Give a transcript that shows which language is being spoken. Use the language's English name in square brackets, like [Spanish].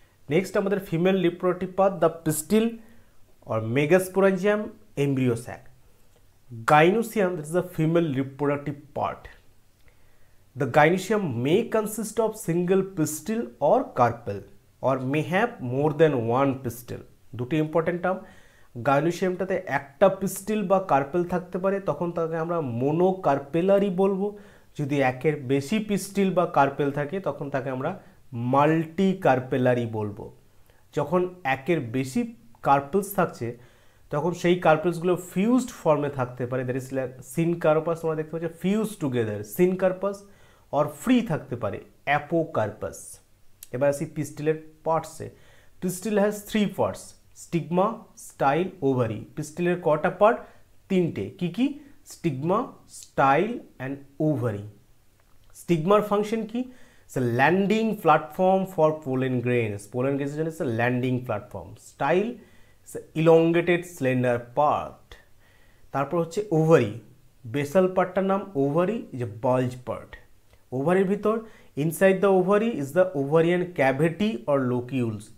[English] Next আমাদের female reproductive part, the pistil or megasporangium embryo sac. Gynoecium, this is the female reproductive part. The gynoecium may consist of single pistil or carpel or may have more than one pistil. [Bangla] দুটি important term. গাইনোসিয়ামটাতে একটা পিস্টিল বা carpel থাকতে পারে, তখন তাকে আমরা মনোকার্পেলারি বলবো। যদি একের বেশি পিস্টিল বা কার্পেল থাকে তখন তাকে আমরা মাল্টি কার্পেলারি বলবো। যখন একের বেশি কার্পেলস থাকছে তখন সেই কার্পাসগুলো ফিউজড ফর্মে থাকতে পারে, [English] That is like syncarpous. [Bangla] তোমরা দেখতে পাচ্ছ ফিউজ টুগেদার, সিন কার্পাস, অর ফ্রি থাকতে পারে, অ্যাপো কার্পাস। এবার আসি পিস্টিলের পার্টসে। [English] Pistil has three parts, stigma, style, ovary. [Bangla] পিস্টিলের কটা পার্ট? তিনটে। কি কি? Stigma, style and ovary. স্টিগমার function কি? [English] It's a landing platform for pollen grains. Pollen grains is a landing platform. Style is elongated slender part. [Bangla] Tarpor hocche ovary. [English] Basal part ta nam ovary is a bulge part. Ovary bhitor inside the ovary is the ovarian cavity or locules.